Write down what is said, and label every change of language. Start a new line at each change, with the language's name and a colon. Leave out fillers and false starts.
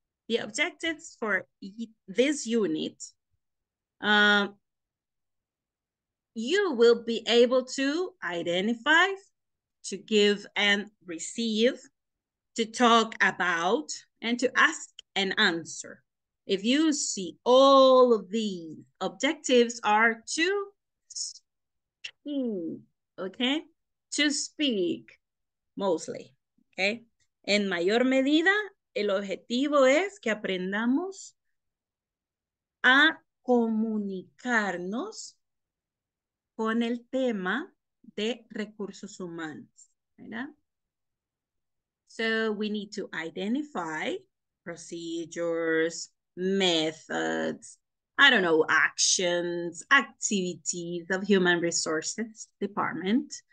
English: The objectives for this unit, you will be able to identify, to give and receive, to talk about, and to ask and answer. If you see all of these objectives are to speak, okay? To speak, mostly, okay?
Spanish: En mayor medida, el objetivo es que aprendamos a comunicarnos con el tema de recursos humanos, ¿verdad?
English: So we need to identify procedures, methods, I don't know, actions, activities of human resources department.